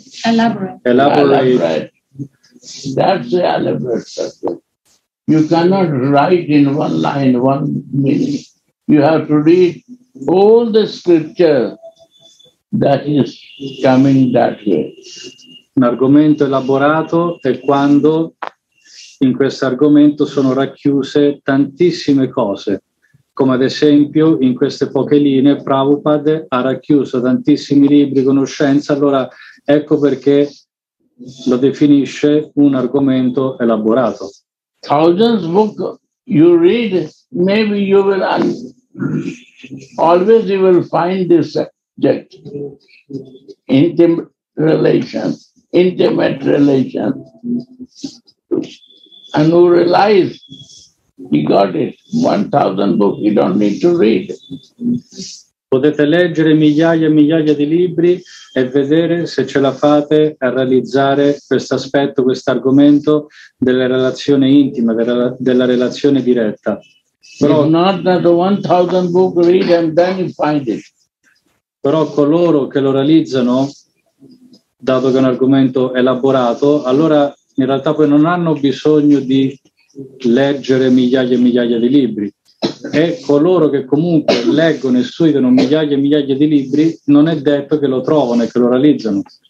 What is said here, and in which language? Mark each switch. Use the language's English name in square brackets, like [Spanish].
[English] elaborate. That's the elaborate subject. You cannot write in one line, one minute. You have to read all the scripture that is coming that way. [Italian] Un argomento elaborato è quando in questo argomento sono racchiuse tantissime cose, come ad esempio in queste poche linee Prabhupada ha racchiuso tantissimi libri, conoscenza, allora ecco perché lo definisce un argomento elaborato. [English] Thousands book you read, maybe you will always you will find this subject. relations, intimate relations. And who realized he got it. 1,000 books you don't need to read. [Italian] Potete leggere migliaia e migliaia di libri e vedere se ce la fate a realizzare questo aspetto, questo argomento della relazione intima, della relazione diretta. [English] Però, not that the 1,000 book read and then you find it. [Italian] Però coloro che lo realizzano, dato che è un argomento elaborato, allora in realtà poi non hanno bisogno di leggere migliaia e migliaia di libri. E coloro che comunque leggono e studiano migliaia e migliaia di libri, non è detto che lo trovano e che lo realizzano.